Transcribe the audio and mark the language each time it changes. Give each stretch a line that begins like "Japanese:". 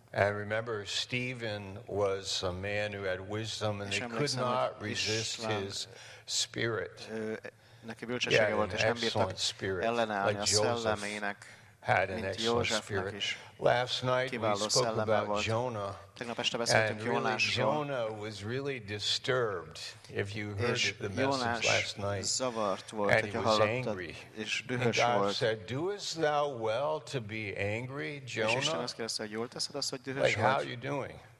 English: And remember, Stephen was a man who had wisdom, and they could not resist his spirit.
Hungarian: Neki bölcsessége volt, és nem bírtak ellenállni a szellemének.
English: Had an excellent spirit. Last night we spoke about Jonah, and really Jonah was really disturbed. If you heard the message last night, and he was angry. And God said, "Doest thou well to be angry, Jonah? Like, how are you doing?